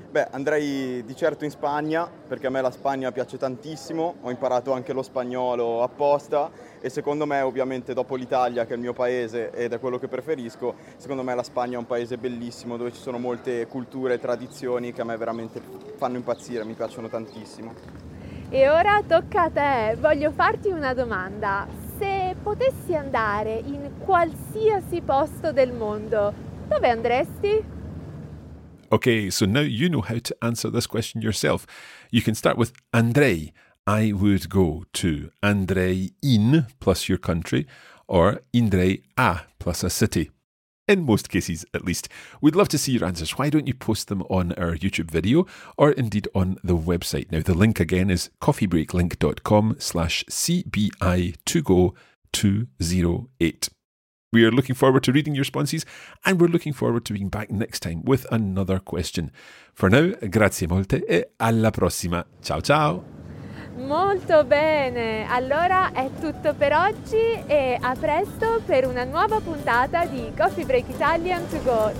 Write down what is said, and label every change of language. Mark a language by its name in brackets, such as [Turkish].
[Italian] Andrei di certo in Spagna, perché a me la Spagna piace tantissimo, ho imparato anche lo spagnolo apposta e secondo me, ovviamente dopo l'Italia, che è il mio paese ed è quello che preferisco, secondo me la Spagna è un paese bellissimo dove ci sono molte culture e tradizioni che a me veramente fanno impazzire, mi piacciono tantissimo. E ora tocca a te, voglio farti una domanda. Se potessi andare in qualsiasi posto del mondo, dove andresti? [English] Okay, so now you know how to answer this question yourself. You can start with andrei, I would go to, andrei in plus your country, or indrei a plus a city. In most cases, at least. We'd love to see your answers. Why don't you post them on our YouTube video or indeed on the website? Now, the link again is coffeebreaklink.com/CBI2Go208. We are looking forward to reading your responses and we're looking forward to being back next time with another question. For now, [Italian] grazie molte e alla prossima. Ciao, ciao. Molto bene, allora è tutto per oggi e a presto per una nuova puntata di Coffee Break Italian to Go.